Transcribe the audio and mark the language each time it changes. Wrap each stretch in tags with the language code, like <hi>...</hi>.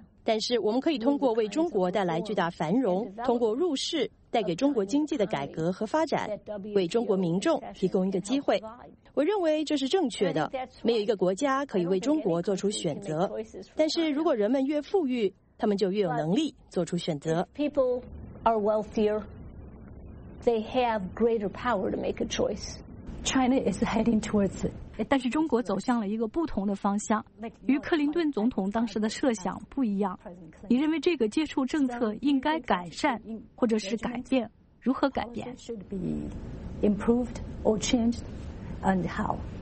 <zh>但是我们可以通过为中国带来巨大繁荣，通过入世带给中国经济的改革和发展，为中国民众提供一个机会。我认为这是正确的，没有一个国家可以为中国做出选择。但是如果人们越富裕，他们就越有能力做出选择。</zh> <en>People are wealthier, they have greater power to make a choice. China is heading towards.</en> <zh>但是中国走向了一个不同的方向，与克林顿总统当时的设想不一样。你认为这个接触政策应该改善或者是改变，如何改变？</zh> <en>Should be improved or changed and how?</en>